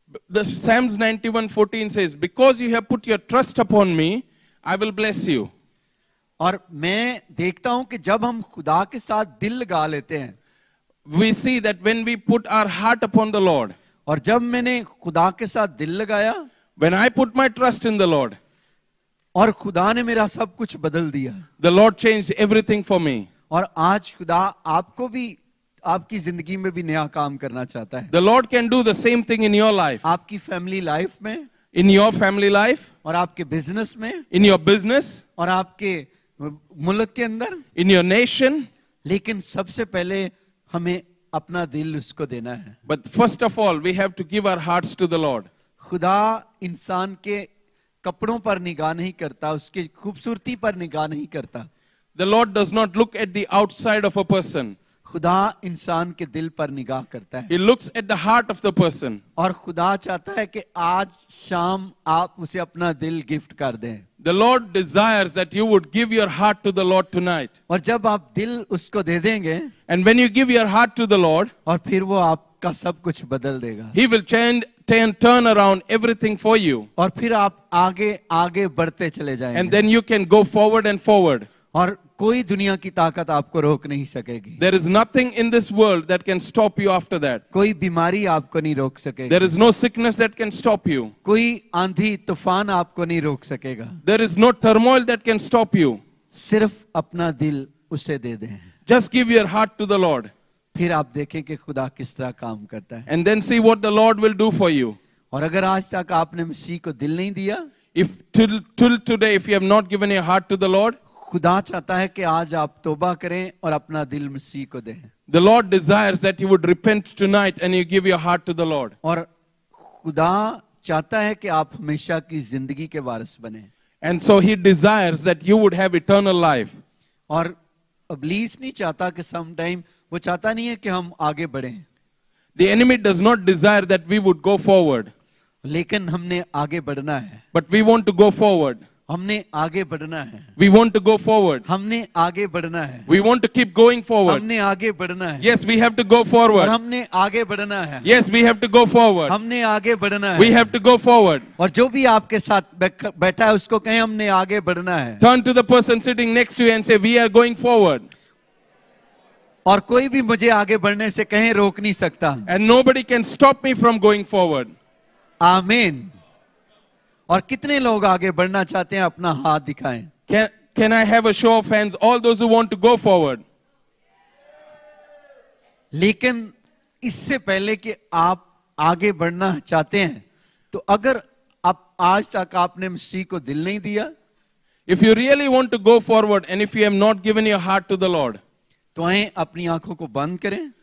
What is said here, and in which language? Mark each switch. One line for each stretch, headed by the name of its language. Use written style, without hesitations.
English: The Psalms 91:14 says, because you have put your trust upon me, I will bless you.
Hindi: और मैं देखता हूं कि जब हम खुदा के साथ दिल लगा लेते हैं.
English: We see that when we put our heart upon the Lord.
Hindi: और जब मैंने खुदा के साथ दिल लगाया.
English: When I put my trust in the Lord.
Hindi: और खुदा ने मेरा सब कुछ बदल दिया.
English: The Lord changed everything for me.
Hindi: और आज खुदा आपको भी आपकी जिंदगी में भी नया काम करना चाहता है.
English: The Lord can do the same thing in your life.
Hindi: आपकी फैमिली लाइफ में.
English: In your family life.
Hindi: और आपके बिजनेस में.
English: In your business.
Hindi: और आपके मुल्क के अंदर.
English: In your nation.
Hindi: लेकिन सबसे पहले हमें अपना दिल उसको देना है.
English: But first of all, we have to give our hearts to the Lord.
Hindi: खुदा इंसान के कपड़ों पर निगाह नहीं करता, उसके खूबसूरती पर निगाह नहीं करता.
English: The Lord does not look at the outside of a person.
Hindi: खुदा इंसान के दिल पर निगाह करता है.
English: He looks at the heart of the person.
Hindi: और खुदा चाहता है कि आज शाम आप उसे अपना दिल गिफ्ट कर दें.
English: The Lord desires that you would give your heart to the Lord tonight.
Hindi: और जब आप दिल उसको दे देंगे.
English: And when you give your heart to the Lord.
Hindi: और फिर वो आपका सब कुछ बदल देगा.
English: He will change and turn around everything for you.
Hindi: और फिर आप आगे आगे बढ़ते चले जाएंगे.
English: And then you can go forward and forward.
Hindi: और कोई दुनिया की ताकत आपको रोक नहीं सकेगी.
English: There is nothing in this world that can stop you after that.
Hindi: कोई बीमारी आपको नहीं रोक सकेगी.
English: There is no sickness that can stop you.
Hindi: कोई आंधी तूफान आपको नहीं रोक सकेगा.
English: There is no turmoil that can stop you.
Hindi: सिर्फ अपना दिल उसे दे दें.
English: Just give your heart to the Lord.
Hindi: फिर आप देखें कि खुदा किस तरह काम करता है.
English: And then see what the Lord will do for you.
Hindi: और अगर आज तक आपने मसीह को दिल नहीं दिया.
English: If till today if you have not given your heart to the Lord.
Hindi: खुदा चाहता है कि आज आप तौबा करें और अपना दिल मसीह को दें.
English: The Lord desires that you would repent tonight and you give your heart to the Lord.
Hindi: और खुदा चाहता है कि आप हमेशा की जिंदगी के वारिस बने.
English: And so he desires that you would have eternal life.
Hindi: और इब्लीस नहीं चाहता कि sometime, वो चाहता नहीं है कि हम आगे बढ़ें.
English: The enemy does not desire that we would go forward.
Hindi: लेकिन हमने आगे बढ़ना है.
English: But we want to go forward.
Hindi: हमने आगे बढ़ना है.
English: We want to go forward.
Hindi: हमने आगे बढ़ना है.
English: We want to keep going forward.
Hindi: हमने आगे बढ़ना है.
English: Yes, we have to go forward.
Hindi: और हमने आगे बढ़ना है.
English: Yes, we have to go forward.
Hindi: हमने आगे बढ़ना है.
English: We have to go forward.
Hindi: और जो भी आपके साथ बैठा है उसको कहें हमने आगे बढ़ना है.
English: Turn to the person sitting next to you and say, we are going forward.
Hindi: और कोई भी मुझे आगे बढ़ने से कहें रोक नहीं सकता.
English: And nobody can stop me from going forward. Amen.
Hindi: और कितने लोग आगे बढ़ना चाहते हैं अपना हाथ दिखाएं.
English: Can I have a show of hands, all those who want to go forward.
Hindi: लेकिन इससे पहले कि आप आगे बढ़ना चाहते हैं तो अगर आप आज तक आपने मसीह को दिल नहीं दिया
English: if you really want to go forward and if you have not given your heart to the Lord
Hindi: तो आए अपनी आंखों को बंद करें